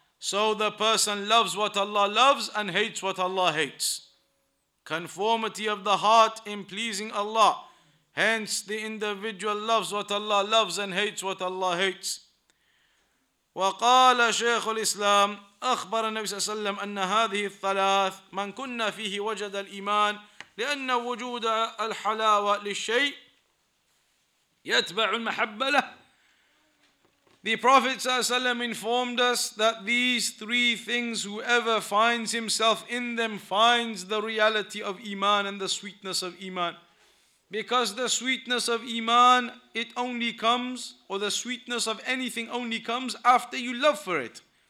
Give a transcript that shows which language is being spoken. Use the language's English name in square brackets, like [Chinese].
[English] So the person loves what Allah loves and hates what Allah hates. Conformity of the heart in pleasing Allah. Hence, the individual loves what Allah loves and hates what Allah hates. [Arabic] وقال شيخ الإسلام أخبر النبي صلى الله عليه وسلم أن هذه الثلاث من كنا فيه وجد الإيمان لأن وجود الحلاوة للشيء يتبع المحبة له. [English] The Prophet ﷺ informed us that these three things, whoever finds himself in them, finds the reality of Iman and the sweetness of Iman. Because the sweetness of Iman, it only comes, or the sweetness of anything only comes after you love for it.